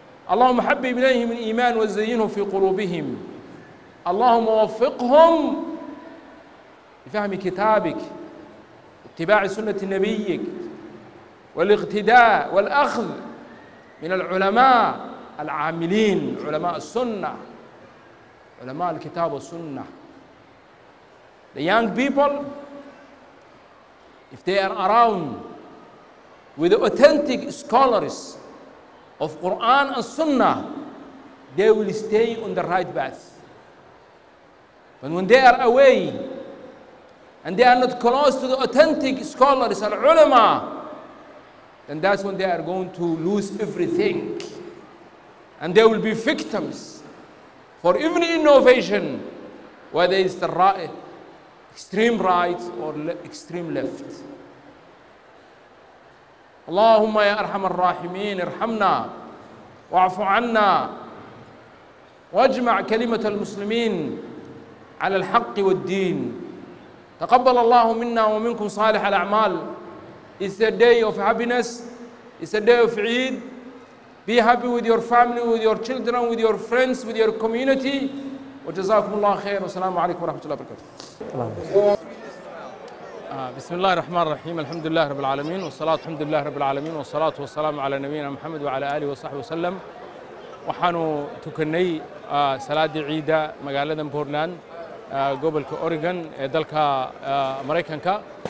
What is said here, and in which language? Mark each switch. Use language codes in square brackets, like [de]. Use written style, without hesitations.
[ar] اللهم حبب إليهم الإيمان وزينه في قلوبهم. اللهم وفقهم لفهم كتابك، اتباع سنة نبيك، والاقتداء والأخذ من العلماء العاملين، علماء السنة، علماء الكتاب والسنة. [en] The young people, if they are around with the authentic scholars of Quran and Sunnah, they will stay on the right path. But when they are away and they are not close to the authentic scholars and ulama, then that's when they are going to lose everything. And they will be victims for even innovation, whether it's the right, extreme right or extreme left. [ar] Allahumma ya arham al-rahimeen, irhamna wa'afu anna wajma' kalimata al-muslimin ala al-haqq wal-deen. تقبل الله منا ومنكم صالح الأعمال. [en] It's a day of happiness. It's a day of Eid. Be happy with your family, with your children, with your friends, with your community. [ar] وجزاكم الله خير. والسلام عليكم ورحمة الله وبركاته. بسم الله الرحمن الرحيم. الحمد لله رب العالمين، والصلاة الحمد لله رب العالمين، والصلاة والسلام على نبينا محمد وعلى آله وصحبه وسلم. وحانو تكني صلاة عيدة مقالة بورلاند قبل كأوريغان ذلك أمريكان كا.